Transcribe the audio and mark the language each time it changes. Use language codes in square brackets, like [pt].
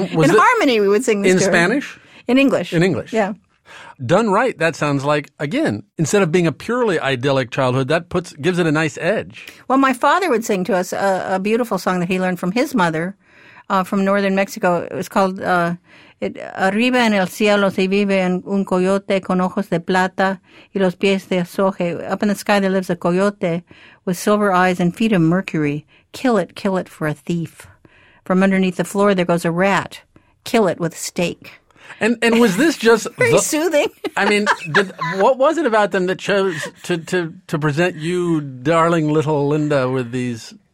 [en] was in harmony, we would sing this in story. Spanish? In English. In English. Yeah. Done right, that sounds like, again, instead of being a purely idyllic childhood, that gives it a nice edge. Well, my father would sing to us a beautiful song that he learned from his mother from northern Mexico. It was called... [es] Arriba en el cielo se vive un coyote con ojos de plata y los pies de azogue. [en] Up in the sky there lives a coyote with silver eyes and feet of mercury. Kill it for a thief. From underneath the floor there goes a rat. Kill it with a stake. And was this just... Very soothing. I mean, what was it about them that chose to present you, darling little Linda, with these...